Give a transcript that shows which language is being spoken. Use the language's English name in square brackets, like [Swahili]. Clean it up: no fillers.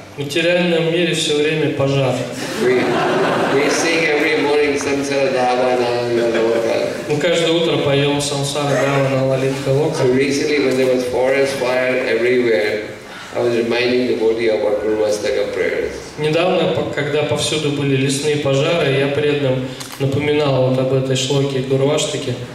[Russian] В материальном мире все время пожар. [English] We sing every morning samsara dhavana lalitka. [Russian] Мы каждое утро поем самсара дхавана лалитка лока. [English] So recently when there was forest fire everywhere, I was reminding the body about Gurvastaka prayers. [Russian] Недавно, когда повсюду были лесные пожары, я преданным напоминал вот об этой шлоке Гурваштаке.